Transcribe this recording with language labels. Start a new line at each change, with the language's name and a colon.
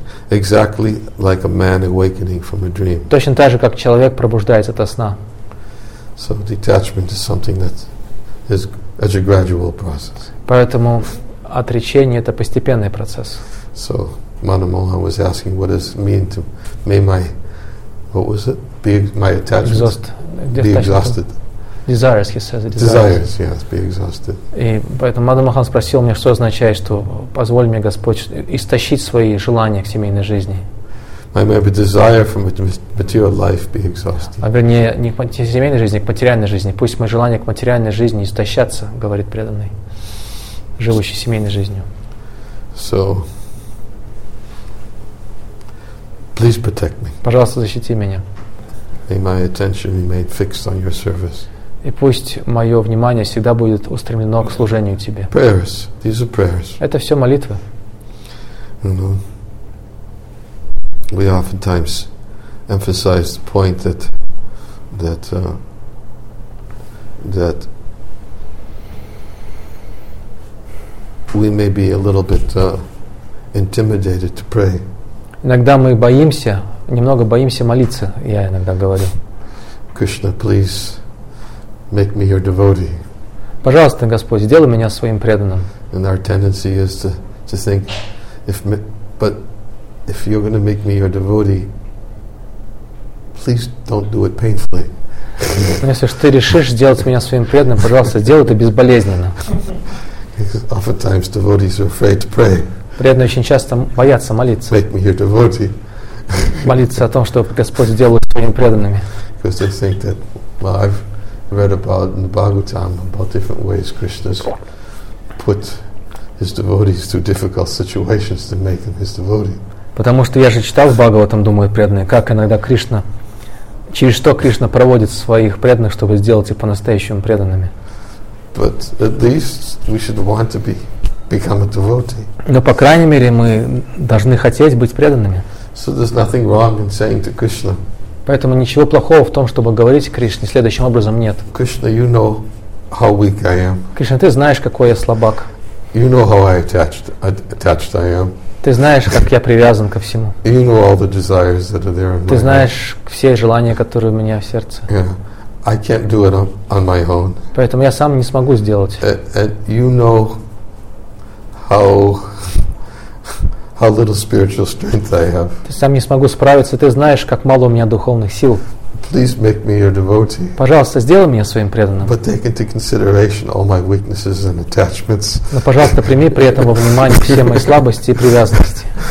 English: Exactly like a man awakening from a dream.
Russian: Точно так же, как человек пробуждается от сна.
English: So detachment is something that is a gradual process.
Russian: Поэтому отречение – это постепенный процесс.
English: So Manamohan was asking, what does it mean to may my, what was it? Be my attachment. Be exhausted. Desires, he says. Desires, yes, be exhausted.
Russian: И поэтому Мадамахан спросил меня, что означает, что позволь мне, Господь, истощить свои желания к семейной жизни.
English: May my desire for material life be exhausted.
Russian: А вернее, не к семейной жизни, а к материальной жизни. Пусть мои желания к материальной жизни истощатся, говорит преданный, живущий семейной жизнью.
English: So, please protect me.
Russian: Пожалуйста, защити меня.
English: May my attention remain fixed on your service.
Russian: И пусть мое внимание всегда будет устремлено к служению тебе.
English: Prayers. These are prayers.
Russian: Это все молитвы.
English: You know, we oftentimes emphasize the point that we may be a little bit intimidated to pray.
Russian: Иногда мы боимся, немного боимся молиться, я иногда говорю.
English: Krishna, please. Make me your devotee.
Russian: Пожалуйста, Господь, сделай меня своим преданным.
English: And our tendency is to think, if you're going to make me your devotee, please don't do it painfully.
Russian: Если ты решишь сделать меня своим преданным, пожалуйста, сделай это безболезненно.
English: Oftentimes devotees are afraid to pray.
Russian: Преданные очень часто боятся молиться.
English: Make me your devotee.
Russian: Молиться о том, чтобы Господь сделал их своими преданными.
English: Because they think that, well, I've read about in the Bhagavatam about different ways Krishna's put his devotees through difficult situations to make them his devotee.
Russian: Потому что я же читал в Бхагаватам, думаю, преданные, как иногда Кришна, через что Кришна проводит своих преданных, чтобы сделать их по-настоящему преданными.
English: But at least we should want to become a devotee.
Russian: Но по крайней мере мы должны хотеть быть преданными.
English: So there's nothing wrong in saying to Krishna.
Russian: Поэтому ничего плохого в том, чтобы говорить Кришне следующим образом, нет.
English: Krishna, you know how weak I am.
Russian: Кришна, ты знаешь, какой я слабак.
English: You know how attached I am.
Russian: Ты знаешь, как я привязан ко всему.
English: You know all the desires that are there in my heart.
Russian: Ты знаешь все желания, которые у меня в сердце.
English: Yeah. I can't do it on my own.
Russian: Поэтому я сам не смогу сделать.
English: And you know how how little spiritual strength I have.
Russian: Ты сам не смогу справиться, ты знаешь, как мало у меня духовных сил.
English: Please make me your devotee.
Russian: Пожалуйста, сделай меня своим преданным.
English: But take into consideration all my weaknesses and attachments.
Russian: Но, пожалуйста, прими при этом во внимание все мои слабости и привязанности.